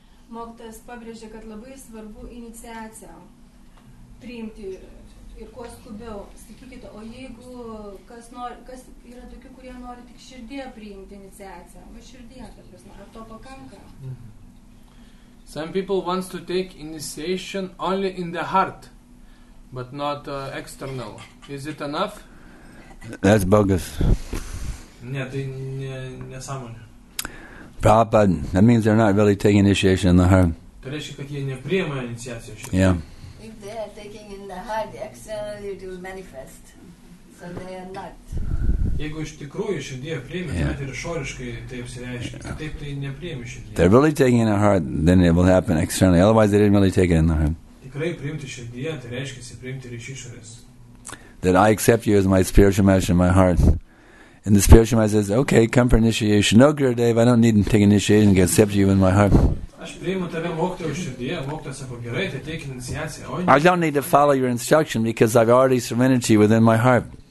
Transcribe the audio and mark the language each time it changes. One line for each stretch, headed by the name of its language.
Lithuanian: Mokytojas pabrėžė, kad labai svarbu iniciaciją priimti ir kuo skubiau. Sakykite, o jeigu kas nori, kas yra tokių, kurie nori tik širdyje priimti iniciaciją, va širdyje, ar to pakanka?
English: Some people wants to take initiation only in the heart, but not external. Is it enough? That's bogus.
Lithuanian: Ne, tai nesąmonė.
English: Prabhupada, that means they're not really taking initiation in the heart.
Lithuanian: Tai reiškia, kad jie nepriima iniciaciją šitą.
English: Yeah. If they are taking in the heart, the external it will manifest. So they are not.
Lithuanian: Jeigu iš tikrųjų širdyje priimi, tai ir išoriškai taip apsireiškia. Taip tai nepriimi širdyje.
English: They're really taking in the heart, then it will happen externally. Otherwise, they didn't really take it in the heart.
Lithuanian: Tikrai priimti širdyje, tai reiškia, si priimti ir iš išorės.
English: That I accept you as my spiritual master in my heart. And the spiritual mind says, okay, come for initiation. No, Gurudev, I don't need to take initiation to accept you in my heart. I don't need to follow your instruction because I've already surrendered to you within my heart.